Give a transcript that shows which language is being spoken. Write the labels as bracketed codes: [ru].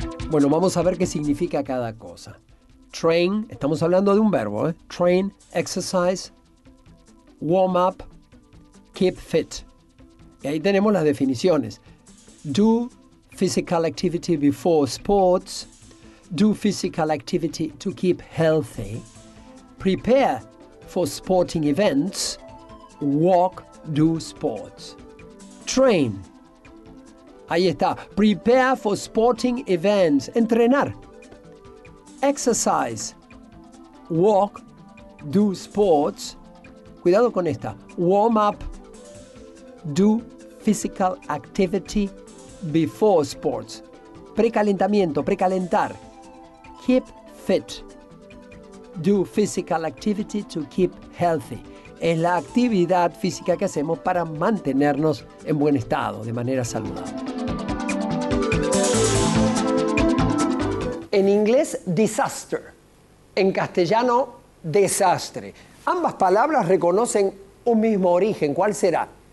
[es] Bueno, vamos a ver qué significa cada cosa. Train, estamos hablando de un verbo, ¿eh? [en] Train, exercise, warm up, keep fit. [es] Y ahí tenemos las definiciones. [en] Do physical activity before sports. Do physical activity to keep healthy. Prepare for sporting events. Walk, do sports. Train, [es] Ahí está. [en] Prepare for sporting events. [es] Entrenar. [en] Exercise. Walk. Do sports. [es] Cuidado con esta. [en] Warm up. Do physical activity before sports. [es] Precalentamiento, precalentar. [en] Keep fit. Do physical activity to keep healthy. [es] Es la actividad física que hacemos para mantenernos en buen estado, de manera saludable. En inglés, disaster. En castellano, desastre. Ambas palabras reconocen un mismo origen. ¿Cuál será?